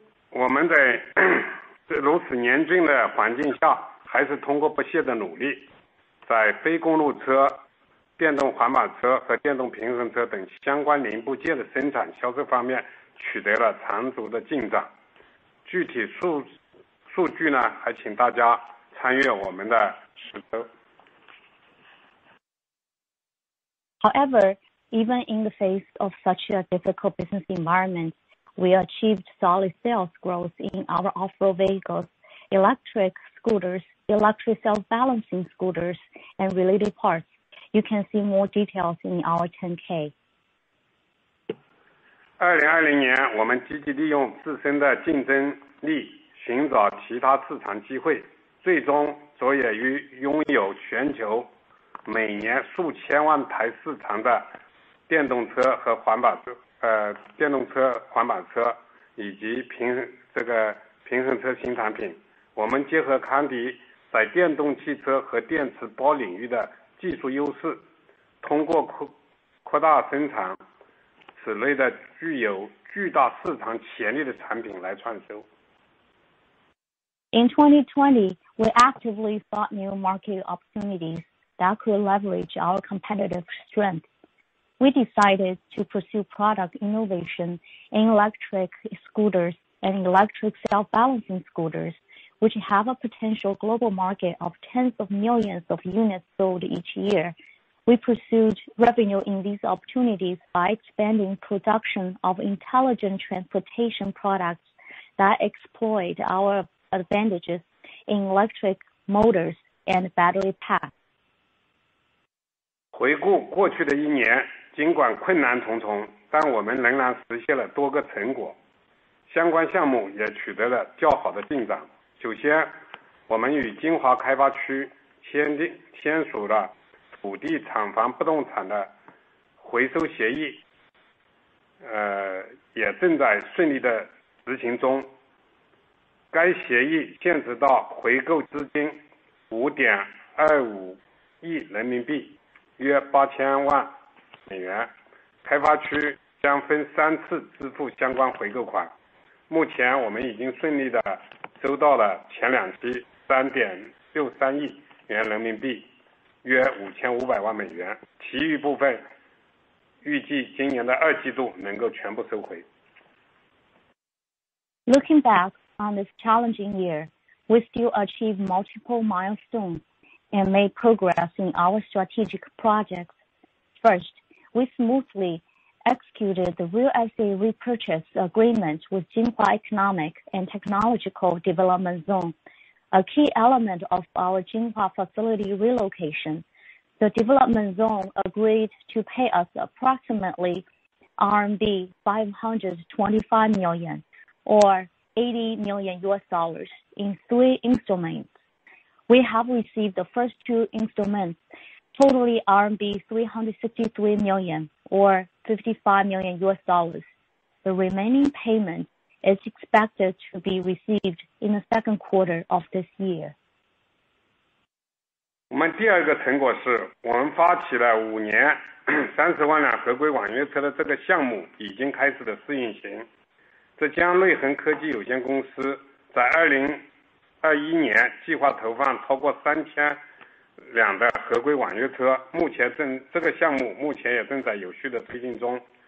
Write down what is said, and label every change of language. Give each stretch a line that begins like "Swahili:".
Chinese: 我们在 在如此严峻的环境下，还是通过不懈的努力，在非公路车、电动环保车和电动平衡车等相关零部件的生产销售方面取得了长足的进展。具体数据呢，还请大家参阅我们的实测。
English: However, even in the face of such a difficult business environment, we achieved solid sales growth in our off-road vehicles, electric scooters, electric self-balancing scooters, and related parts. You can see more details in our 10K.
Chinese: 2020年，我们积极利用自身的竞争力，寻找其他市场机会，最终着眼于拥有全球每年数千万台市场的电动车和环保车，电动车、环保车以及平衡车新产品。我们结合康迪在电动汽车和电池包领域的技术优势，通过扩大生产此类的具有巨大市场潜力的产品来创收。
English: In 2020, we actively sought new market opportunities that could leverage our competitive strength. We decided to pursue product innovation in electric scooters and electric self-balancing scooters, which have a potential global market of tens of millions of units sold each year. We pursued revenue in these opportunities by expanding production of intelligent transportation products that exploit our advantages in electric motors and battery packs.
Chinese: 回顾过去的一年，尽管困难重重，但我们仍然实现了多个成果，相关项目也取得了较好的进展。首先，我们与金华开发区签署了土地厂房不动产的回收协议，也正在顺利的执行中。该协议限制到回购资金5.25亿人民币，约8000万美元。开发区将分三次支付相关回购款。目前我们已经顺利的收到了前两期3.63亿元人民币，约5500万美元。其余部分预计今年的二季度能够全部收回。
English: Looking back on this challenging year, we still achieved multiple milestones and made progress in our strategic projects. First, we smoothly executed the real estate repurchase agreement with Jinhua Economic and Technological Development Zone, a key element of our Jinhua facility relocation. The development zone agreed to pay us approximately RMB 525 million or $80 million in three installments. We have received the first two installments, totally RMB 363 million or $55 million. The remaining payment is expected to be received in the second quarter of this year.
Chinese: 我们第二个成果是，我们发起了五年300,000辆合规网约车的这个项目已经开始的试运行。浙江瑞恒科技有限公司在2021年计划投放超过3000辆的合规网约车，目前这个项目目前也正在有序的推进中。